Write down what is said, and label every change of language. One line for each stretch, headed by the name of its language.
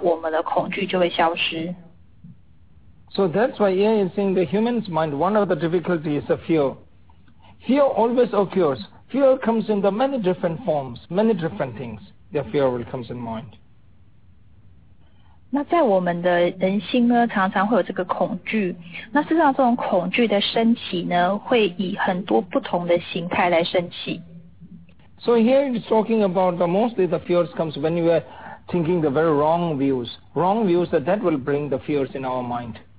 Chinese: 那现在为什么会出现恐惧呢？常常呢都是因为我们很希望能够执取某些事情，那会有这种恐惧，常常都是因为执取的关系。那尤其是这个执取我，那一旦我们没有我之后呢，那我们的恐惧就会消失。
English: So that's why in saying the human's mind, one of the difficulties is a fear. Fear always occurs. Fear comes in the many different forms, many different things. The fear will comes in mind.
Chinese: 那在我们的人心呢，常常会有这个恐惧。那事实上，这种恐惧的升起呢，会以很多不同的形态来升起。
English: So here it's talking about the mostly the fears comes when you are thinking the very wrong views. Wrong views that will bring the fears in our mind.